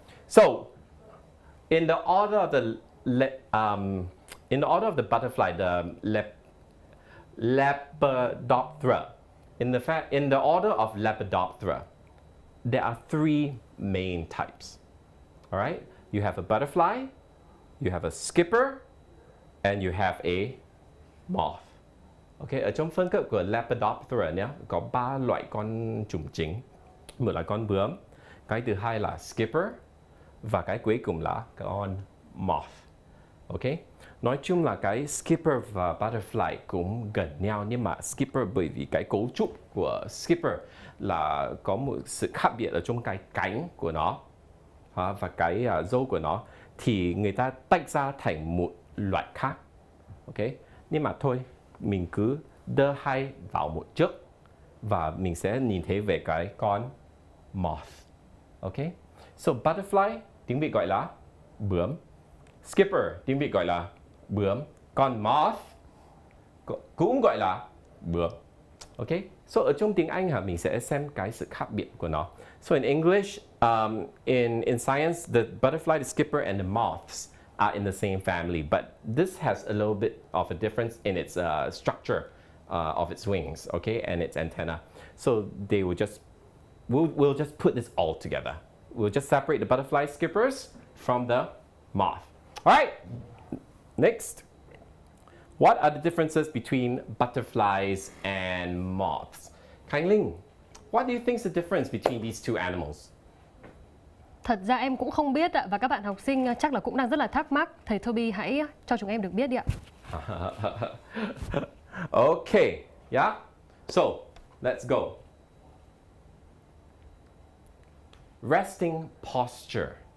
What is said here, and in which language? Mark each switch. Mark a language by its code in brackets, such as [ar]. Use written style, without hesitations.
[en] So, in the order of the butterfly, the Lepidoptera. In the order of Lepidoptera, there are three main types. All right, you have a butterfly, you have a skipper, and you have a moth. [vi] Okay, ở trong phân cấp của Lepidoptera nhé, có ba loại con chùm chính. Một là con bướm, cái thứ hai là skipper, và cái cuối cùng là con moth. Okay. Nói chung là cái skipper và butterfly cũng gần nhau, nhưng mà skipper bởi vì cái cấu trúc của skipper là có một sự khác biệt ở trong cái cánh của nó và cái râu của nó, thì người ta tách ra thành một loại khác. Ok, nhưng mà thôi, mình cứ đưa hai vào một trước và mình sẽ nhìn thấy về cái con moth. Ok, so butterfly tiếng Việt gọi là bướm, skipper tiếng Việt gọi là bướm. Còn moth cũng gọi là bướm. Ok, so ở trong tiếng Anh mình sẽ xem cái sự khác biệt của nó. [en] So in English, in science, the butterfly, the skipper, and the moths are in the same family, but this has a little bit of a difference in its structure of its wings, okay, and its antenna. So they will just, we'll just put this all together. We'll just separate the butterfly skippers from the moth. All right, next. What are the differences between butterflies and moths? Kai Ling, what do you think is the difference between these two animals? [vi] Thật ra em cũng không biết ạ, và các bạn học sinh chắc là cũng đang rất là thắc mắc. Thầy Toby hãy cho chúng em được biết đi ạ. [en] Okay, yeah. So, let's go. Resting posture.